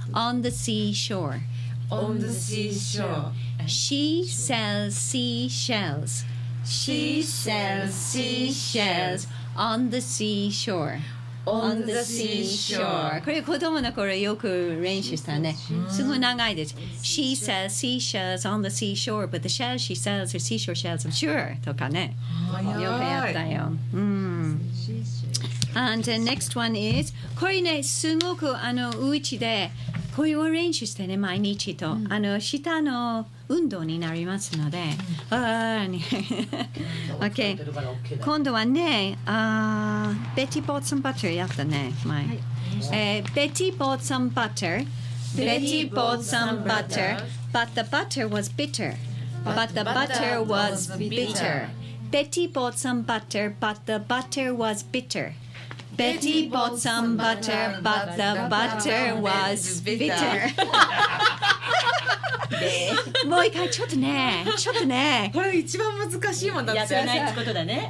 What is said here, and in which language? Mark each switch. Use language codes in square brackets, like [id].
[en] On the seashore. On the seashore. She sells seashells. She sells seashells on the seashore. On the seashore. [ja] これ子供の頃よく練習したね。すごい長いです。 [en] She sells seashells on the seashore, but the shells she sells are seashore shells, I'm sure. [ja] とかね。よくやったよ。 [en] And the next one is, [ja] これね、すごくあのうちで、こういう練習してね、毎日と、あの下の運動になりますので、okay、今度はね、 [en] Betty bought some butter [ja] やったね、前、Betty bought some butter, [en] Betty bought some butter, but the butter was bitter, but the butter was bitter, Betty bought some butter, but the butter was bitter. Betty bought some butter, but the butter was bitter. [ja] もう一回、ちょっとね。これ一番難しいもんだって。やらないってことだね。